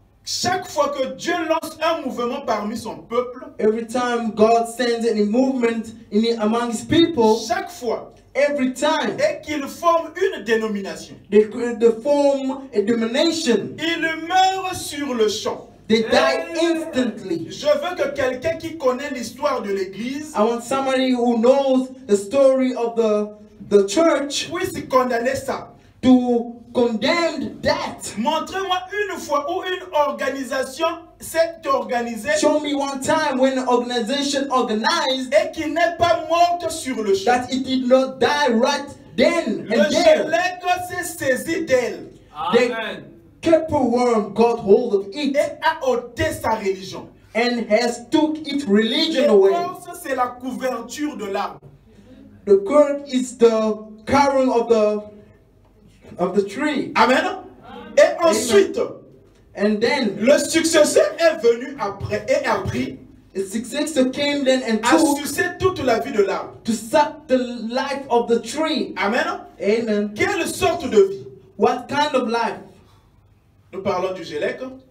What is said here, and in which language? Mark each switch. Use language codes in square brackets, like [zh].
[fr] Chaque fois que Dieu lance un mouvement parmi son peuple, [en] every time God sends any movement in among his people, [fr] chaque fois, [en] every time, [fr] et qu'il forme une dénomination, [en] they form a denomination, [fr] il meurt sur le champ. [en] They die instantly. [fr] Je veux que quelqu'un qui connaît l'histoire de l'église, [en] I want somebody who knows the story of the church, [fr] puisse condamner ça. [en] To condemn that. [fr] Montrez-moi une fois où une organisation s'est organisée. [en] Show me one time when an organization organized. [fr] Et qui n'est pas morte sur le champ. [en] That it did not die right then and [fr] le [en] there. [fr] Le gelé s'est saisi d'elle. Amen. [en] The caper worm got hold of it. [fr] Et a ôté sa religion. [en] And has took its religion away. [fr] L'écorce, c'est la couverture de l'arbre. [en] The cork is the crown of the tree. [fr] Amen. Et ensuite, [en] and then, [fr] le successeur est venu après et a pris. [en] The successor came then and took. [fr] A sucé toute la vie de l'arbre. [en] To suck the life of the tree. Amen. Amen. [fr] Quelle sorte de vie? [en] What kind of life? [fr] Nous parlons du gelec.